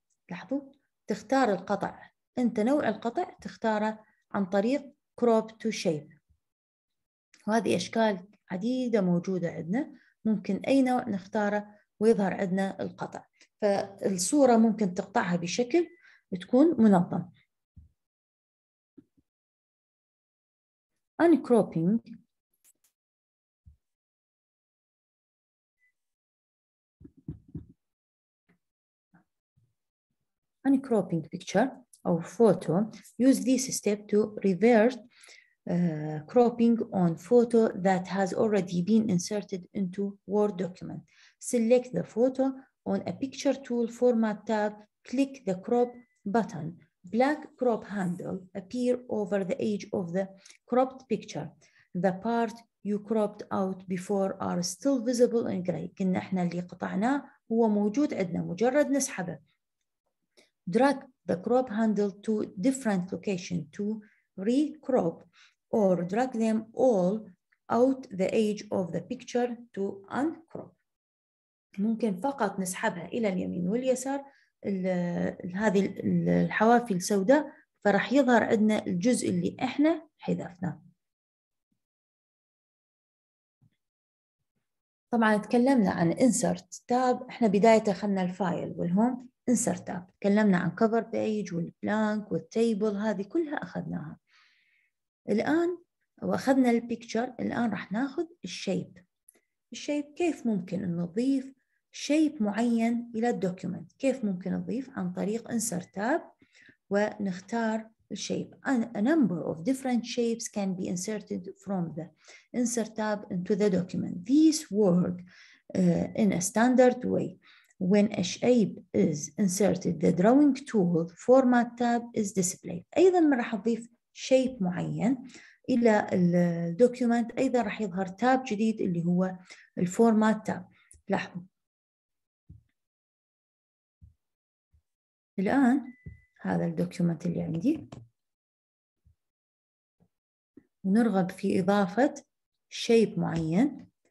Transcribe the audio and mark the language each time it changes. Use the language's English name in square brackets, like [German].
[Arabic] لاحظوا تختار القطع، أنت نوع القطع تختاره عن طريق [English] crop to shape. [Arabic] وهذه أشكال عديدة موجودة عندنا، ممكن أي نوع نختاره ويظهر عندنا القطع. فالصورة ممكن تقطعها بشكل تكون منظم. [English] uncropping uncropping picture أو photo use this step to reverse cropping on photo that has already been inserted into Word document. Select the photo on a picture tool format tab, click the crop button. Black crop handle appear over the edge of the cropped picture. The part you cropped out before are still visible in gray. [Arabic] كنا احنا اللي قطعناه هو موجود عندنا، مجرد نسحبه. [English] Drag the crop handle to different location to re-crop or drag them all out the edge of the picture to uncrop. [Arabic] ممكن فقط نسحبها الى اليمين واليسار هذه الحوافي السوداء، فراح يظهر عندنا الجزء اللي احنا حذفناه. طبعا تكلمنا عن insert tab، احنا بداية اخذنا الفايل والهوم insert tab، تكلمنا عن cover page والبلانك والتيبل، هذه كلها اخذناها الان، واخذنا البيكتشر. الان راح ناخذ الشيب. الشيب كيف ممكن نضيف شيب معين إلى الدوكيومنت؟ كيف ممكن نضيف؟ عن طريق insert tab ونختار الشيب. [English] A number of different shapes can be inserted from the insert tab into the document. These work in a standard way. When a shape is inserted, the drawing tool format tab is displayed. [Arabic] أيضا ما راح أضيف شيب معين إلى الدوكيومنت، أيضا راح يظهر تاب جديد اللي هو الفورمات تاب. لاحظوا الآن هذا الدوكيومنت اللي عندي، نرغب في إضافة شيب معين.